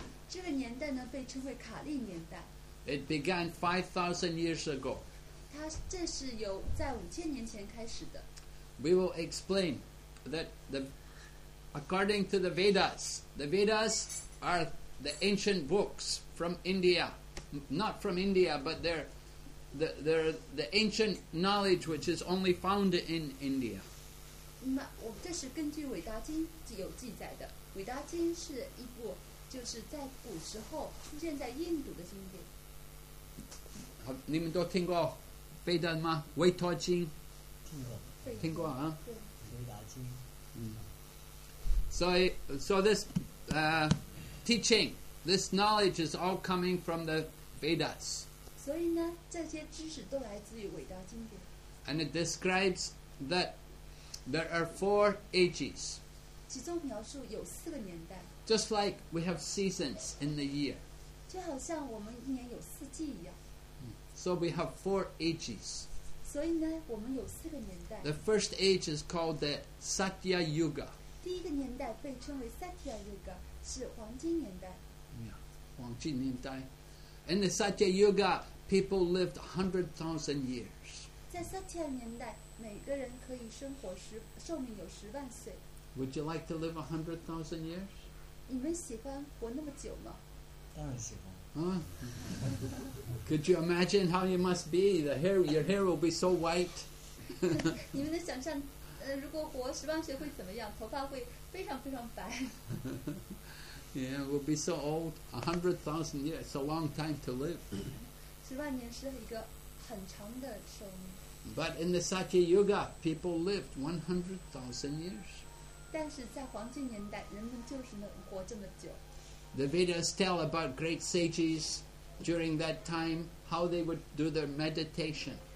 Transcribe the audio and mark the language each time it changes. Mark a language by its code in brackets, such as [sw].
[zh] 这个年代呢，被称为卡利年代。 [en] It began 5,000 years ago. [zh] 它正是由在五千年前开始的。 [en] We will explain that according to the Vedas are the ancient books from India, not from India, but they're. The ancient knowledge which is only found in India. [zh] 那我这是根据《伟达经》有记载的，《伟达经》是一部就是在古时候出现在印度的经典。好，你们都听过《贝达》吗？《韦陀经》 听过，听过啊？ 《伟达经》。 [en] So this teaching, this knowledge is all coming from the Vedas. [zh] 所以呢，这些知识都来自于伟大经典。 [en] And it describes that there are four ages. [zh] 其中描述有四个年代。 [en] Just like we have seasons in the year. [zh] 就好像我们一年有四季一样。 [en] So we have four ages. [zh] 所以呢，我们有四个年代。 [en] The first age is called the Satya Yuga. [zh] 第一个年代被称为 Satya Yuga, 是黄金年代。 [en] Yeah, [zh] 黄金年代。 [en] In the Satya Yuga, people lived 100,000 years. [zh] 在 Satya 年代，每个人可以生活寿命有10万岁。 [en] Would you like to live 100,000 years? [zh] 你们喜欢活那么久吗？当然喜欢。 [en] Could you imagine how you must be? The hair, your hair will be so white. [zh] 你们能想象，如果活十万岁会怎么样？头发会非常非常白。 [en] Yeah, we'll be so old. 100,000 years, it's a long time to live. [zh] 十万年是一个很长的寿命。 [en] But in the Satya Yuga, people lived 100,000 years. [zh] 但是在黄金年代，人们就是能活这么久。 [en] The Vedas tell about great sages during that time, how they would do their meditation.